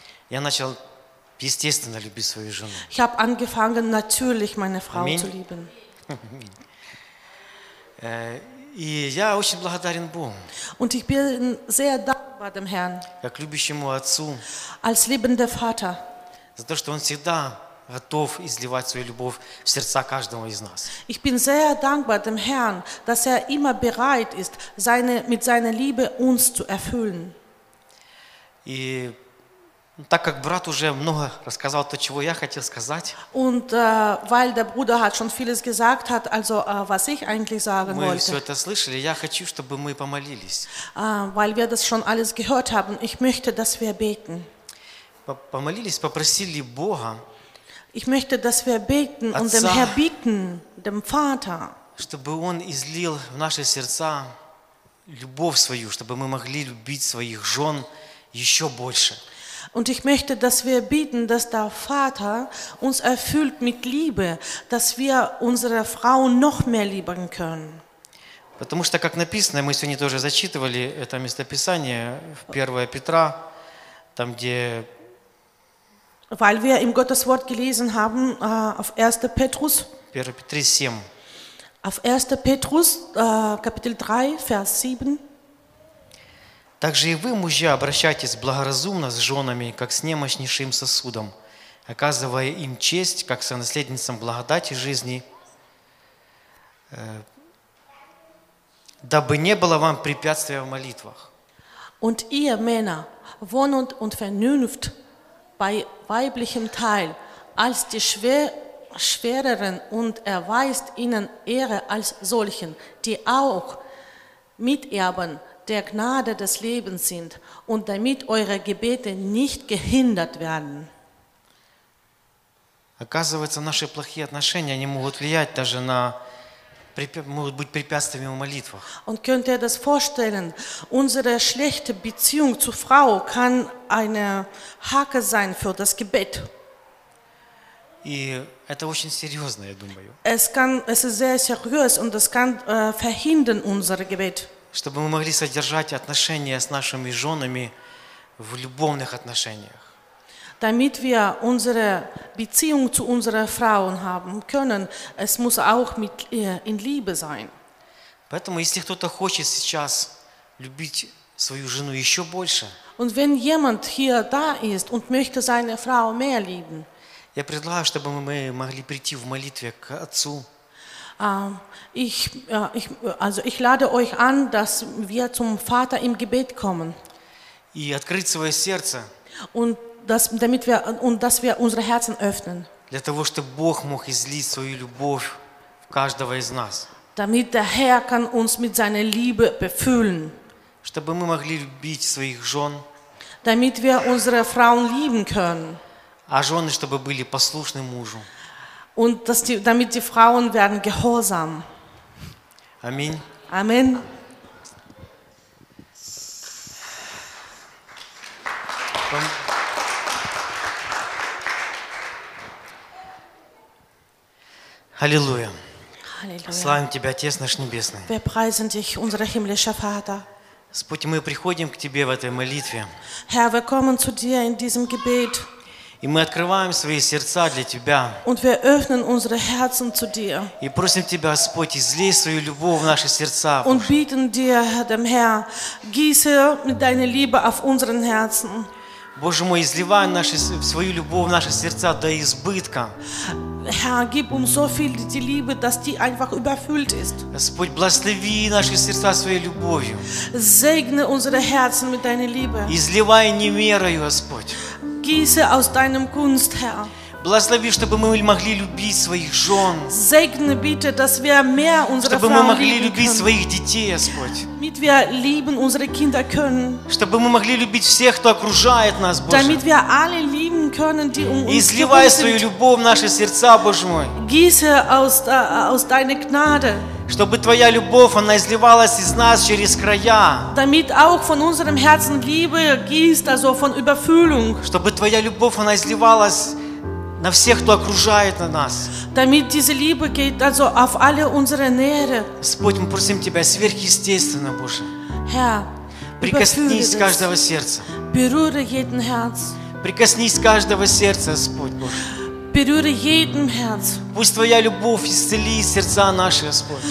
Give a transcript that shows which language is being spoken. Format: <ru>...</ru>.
<ru>Я начал естественно любить свою жену.</ru> <de>Ich habe angefangen natürlich meine Frau zu lieben.</de> <ru>И я очень благодарен Богу.</ru> <de>Und ich bin sehr dankbar dem Herrn.</de> <ru>Как любящему отцу.</ru> <de>Als liebender Vater.</de> <ru>За то, что он всегда готов изливать свою любовь в сердца каждого из нас.</ru> <de>Ich bin sehr dankbar dem Herrn, dass er immer bereit ist, mit seiner Liebe uns zu erfüllen.</de> <ru>И так как брат уже много рассказал то, чего я хотел сказать.</ru> <de>Und weil der Bruder hat schon vieles gesagt hat, also was ich eigentlich sagen</de> <ru>мы</ru> <de>wollte.</de> <ru>Мы все это слышали. Я хочу, чтобы мы помолились.</ru> <de>Weil wir das schon alles gehört haben, ich möchte, dass wir beten.</de> <ru>Помолились, попросили Бога.</ru> <de>Ich möchte, dass wir beten</de> <ru>Отца,</ru> <de>und dem Herr bitten, dem Vater.</de> <ru>Чтобы он излил в наши сердца любовь свою, чтобы мы могли любить своих жен еще больше.</ru> <de>Und ich möchte, dass wir bitten, dass der Vater uns erfüllt mit Liebe, dass wir unsere Frau noch mehr lieben können.</de> <ru>Потому что, как написано, мы сегодня тоже зачитывали это местописание в 1 Петра, там где.</ru> <de>Weil wir im Gottes Wort gelesen haben auf 1. Petrus. 1. Petrus 7. Auf 1. Petrus Kapitel 3 Vers 7.</de> <ru>Также и вы, мужья, обращайтесь благоразумно с женами, как с немощнейшим сосудом, оказывая им честь, как сонаследницам благодати жизни, дабы не было вам препятствия в молитвах.</ru> <de>Und ihr Männer, wohnt und vernünft bei weiblichem Teil, als die Schwereren und erweist ihnen Ehre als solchen, die auch miterben, der Gnade des Lebens sind und damit eure Gebete nicht gehindert werden.</de> <ru>Оказывается, наши плохие отношения, они могут влиять даже на могут быть препятствиями в молитвах.</ru> <de>Und könnt ihr das vorstellen? Unsere schlechte Beziehung zu Frau kann eine Hake sein für das Gebet.</de> <ru>И это очень серьезно, я думаю.</ru> <de>Es ist sehr seriös und es kann verhindern unser Gebet.</de> <ru>Чтобы мы могли содержать отношения с нашими женами в любовных отношениях.</ru> <de>Damit wir unsere Beziehung zu unseren Frauen haben können, es muss auch mit ihr in Liebe sein.</de> <ru>Поэтому, если кто-то хочет сейчас любить свою жену еще больше,</ru> <de>und wenn jemand hier da ist und möchte seine Frau mehr lieben,</de> <ru>я предлагаю, чтобы мы могли прийти в молитве к Отцу.</ru> <de>Ich lade euch an, dass wir zum Vater im Gebet kommen.</de> <ru>И открыть свое сердце.</ru> <de>Und das, damit wir, und dass wir unsere Herzen öffnen.</de> <ru>Для того, чтобы Бог мог излить свою любовь в каждого из нас.</ru> <de>Damit der Herr kann uns mit seiner Liebe befüllen.</de> <ru>Чтобы мы могли любить своих жен.</ru> <de>Damit wir unsere Frauen lieben können.</de> <ru>А жены, чтобы были послушны мужу.</ru> <de>Und dass die, damit die Frauen werden gehorsam. Amen. Amen. Halleluja. Halleluja.</de> <ru>Славим тебя, Отец наш небесный.</ru> <de>Wir preisen dich, unser himmlischer Vater.</de> <ru>Господь, мы приходим к тебе в этой молитве.</ru> <de>Herr, wir kommen zu dir in diesem Gebet.</de> <ru>И мы открываем свои сердца для Тебя.</ru> <de>Und wir öffnen unsere Herzen zu dir.</de> <ru>И просим Тебя, Господь, излей свою любовь в наши сердца.</ru> <de>Und bitten dir, dem Herr, gieße deine Liebe auf unseren Herzen.</de> <ru>Боже мой, изливай наши, свою любовь в наши сердца до избытка.</ru> <de>Herr, gib uns so viel die Liebe, dass die einfach überfüllt ist.</de> <ru>Господь, благослови наши сердца своей любовью.</ru> <de>Segne unsere Herzen mit deiner Liebe.</de> <ru>Изливай немерою, Господь.</ru> <de>Gieße aus deinem Gunst, Herr.</de> <ru>Благослови, чтобы мы могли любить своих жен.</ru> <de>Segne bitte, dass wir mehr unsere</de> <ru>чтобы мы могли любить своих детей, Господь.</ru> <de>Damit wir lieben unsere Kinder können.</de> <ru>Чтобы мы могли любить всех, кто окружает нас, Боже.</ru> <de>Damit wir alle lieben können, die um uns</de> <ru>изливай свою любовь в наши сердца, Боже мой.</ru> <de>Gieße aus deiner Gnade.</de> <ru>Чтобы твоя любовь, она изливалась из нас через края.</ru> <de>Damit auch von unserem Herzen Liebe gießt, also von Überfüllung.</de> <ru>Чтобы твоя любовь, она изливалась на всех, кто окружает нас.</ru> <de>Damit diese Liebe geht also auf alle unsere Nähe.</de> <ru>Господь, мы просим тебя сверхъестественно, Боже.</ru> <de>Herr,</de> <ru>прикоснись каждого сердца.</ru> <de>Berühre jeden Herz.</de> <ru>Прикоснись каждого сердца, Господь Боже.</ru> <de>Berühre jeden Herz.</de> <ru>Пусть твоя любовь исцелит сердца наши, Господь.</ru>